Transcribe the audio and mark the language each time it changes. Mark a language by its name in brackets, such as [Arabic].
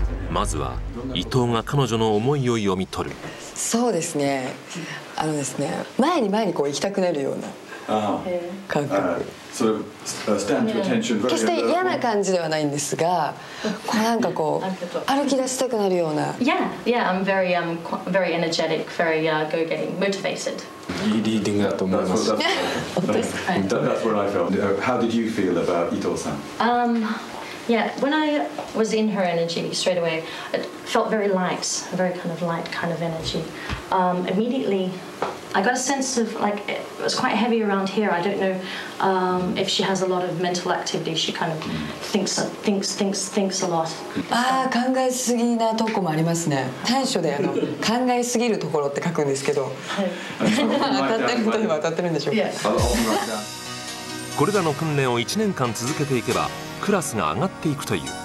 [Japanese] まずは伊藤が彼女の思いを読み取る。そうですね、前に前にこう行きたくなるような感覚。決して嫌な感じではないんですが、こうなんかこう歩き出したくなるような。 [English] Yeah, yeah, I'm very, very energetic, very go-getting, motivated. [Japanese] いいリーディングだと思います。本当ですか？ [English] That's what I felt. How did you feel about Ito-san? Yeah, when I was in her energy straight away, it felt very light, a very kind of light kind of energy. Immediately, I got a sense of, like, it was quite heavy around here. I don't know if she has a lot of mental activity. She kind of thinks a lot. [Japanese] ああ、考えすぎなとこもありますね。短所で、あの、考えすぎるところって書くんですけど。当たってるといえば当たってるんでしょうか。これらの訓練を1年間続けていけば、クラスが上がっていくという。